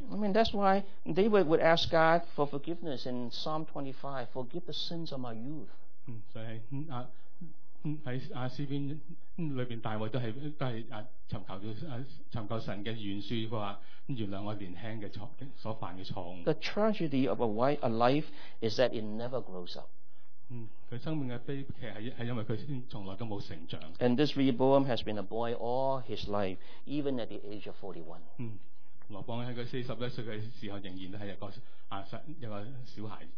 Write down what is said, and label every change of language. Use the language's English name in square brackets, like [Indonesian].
[English] I mean that's why David would ask God for forgiveness in Psalm 25, forgive the sins of my youth. [Chinese] 所以在詩篇裏面大衛都是尋求神的原書，說原諒我年輕的所犯的錯誤。 [English] The tragedy of a life is that it never grows up. [Chinese] 他生命的悲劇是因為他從來都沒有成長。 [English] And this Rehoboam has been a boy all his life, even at the age of 41. [Chinese] 羅波安在他41歲的時候仍然是一個小孩。